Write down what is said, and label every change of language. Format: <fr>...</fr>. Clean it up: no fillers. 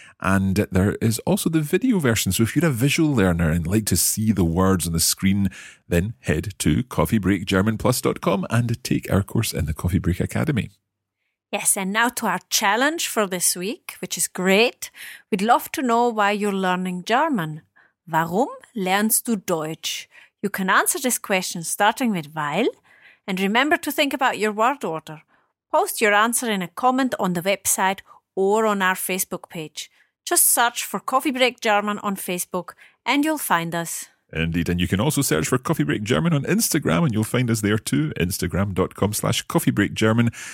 <en>And there is also the video version. So if you're a visual learner and like to see the words on the screen, then head to coffeebreakgermanplus.com and take our course in the Coffee Break Academy. Yes, and now to our challenge for this week, which is great. We'd love to know why you're learning German.</en> <de>Warum lernst du Deutsch?</de> <en>You can answer this question starting with weil. And remember to think about your word order. Post your answer in a comment on the website or on our Facebook page. Just search for Coffee Break German on Facebook and you'll find us. Indeed, and you can also search for Coffee Break German on Instagram and you'll find us there too, instagram.com/coffeebreakgerman.</en>